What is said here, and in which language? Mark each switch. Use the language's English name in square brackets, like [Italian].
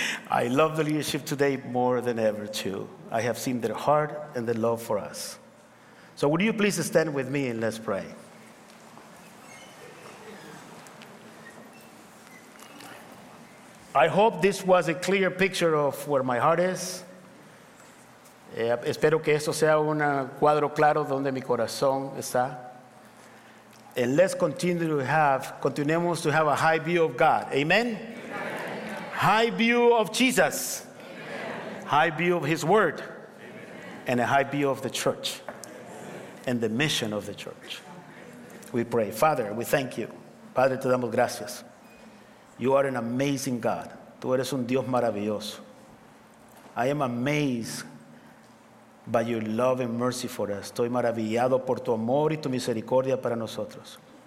[English] I love the leadership today more than ever too. I have seen their heart and their love for us. So would you please stand with me and let's pray. I hope this was a clear picture of where my heart is. [Spanish] Espero que esto sea un cuadro claro donde mi corazón está. [English] And let's continuemos to have a high view of God. Amen? Amen. High view of Jesus. Amen. High view of His Word. Amen. And a high view of the church. Amen. And the mission of the church. We pray. Father, we thank you. [Spanish] Padre, te damos gracias. [English] You are an amazing God. [Spanish] Tú eres un Dios maravilloso. [English] I am amazed by your love and mercy for us. [Spanish] Estoy maravillado por tu amor y tu misericordia para nosotros.